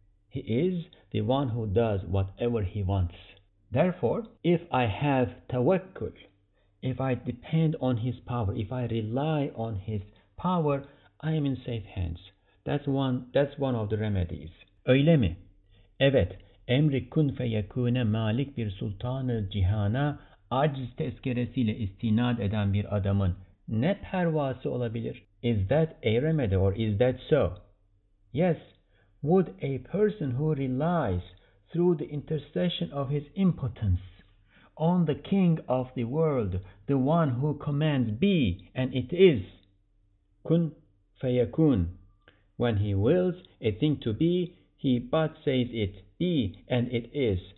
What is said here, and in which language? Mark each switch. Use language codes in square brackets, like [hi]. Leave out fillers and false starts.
[en] He is the one who does whatever he wants. Therefore, if I have tawakkul, if I depend on his power, if I rely on his power, I am in safe hands. That's one of the remedies. [tr] Öyle mi? Evet. Emri kun feyekune malik bir sultanı cihana aciz tezkeresiyle istinad eden bir adamın ne pervası olabilir? [en] Is that a remedy or is that so? Yes. Would a person who relies through the intercession of his impotence on the king of the world, the one who commands be, and it is, [ar] kun fayakun, [en] when he wills a thing to be, he but says it be, and it is.